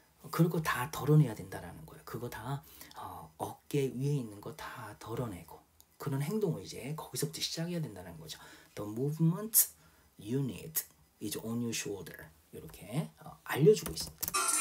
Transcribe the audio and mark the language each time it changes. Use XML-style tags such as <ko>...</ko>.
<ko>그런 거 다 덜어내야 된다라는 거예요. 그거 다 어깨 위에 있는 거 다 덜어내고 그런 행동을 이제 거기서부터 시작해야 된다는 거죠.</ko> <en>The movement you need is on your shoulder.</en> <ko>이렇게 알려주고 있습니다.</ko>